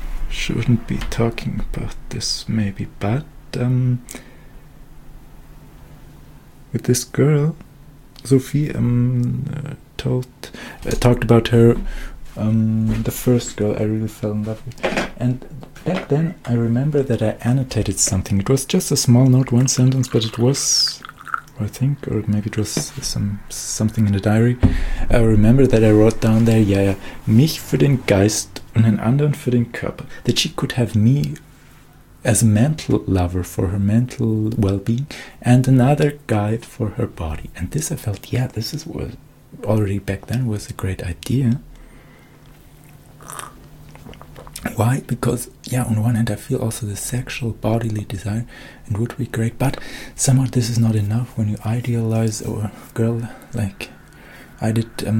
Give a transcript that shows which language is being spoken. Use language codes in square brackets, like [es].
[en] Shouldn't be talking about this, maybe, but with this girl, Sophie, talked about her, the first girl I really fell in love with, and back then I remember that I annotated something. It was just a small note, one sentence, but it was, I think, or maybe it was something in the diary. I remember that I wrote down there, yeah, [de] mich für den Geist und einen anderen für den Körper. [en] That she could have me as a mental lover for her mental well-being and another guy for her body. And this I felt, yeah, this is what already back then was a great idea. Why? Because, yeah, on one hand I feel also the sexual bodily desire and would be great, but somehow this is not enough when you idealize a girl like I did.